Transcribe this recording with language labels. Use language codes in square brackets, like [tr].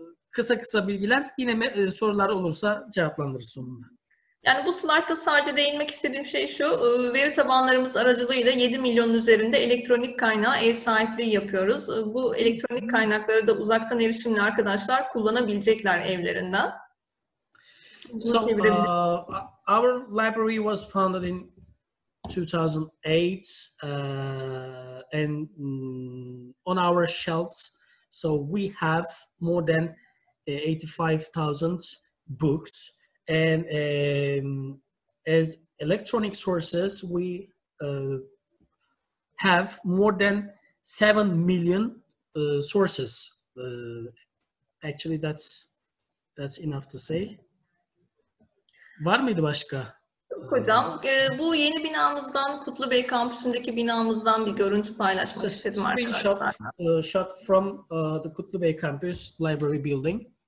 [tr] Kısa kısa bilgiler, yine sorular olursa cevaplandırırız sonunda. Yani bu slaytta sadece değinmek istediğim şey şu, veri tabanlarımız aracılığıyla 7 milyonun üzerinde elektronik kaynağı ev sahipliği yapıyoruz. Bu elektronik kaynakları da uzaktan erişimli arkadaşlar kullanabilecekler evlerinden. [en] So, our library was founded in 2008 and on our shelves, so we have more than 85,000 books. And as electronic sources, we have more than 7 million sources. Actually, that's enough to say. [tr] Var mıydı başka? Bulduk hocam. Bu yeni binamızdan, Kutlu Bey kampüsündeki binamızdan bir görüntü paylaşmak istedim arkadaşlar. [en] Shot from the Kutlu Bey campus library building.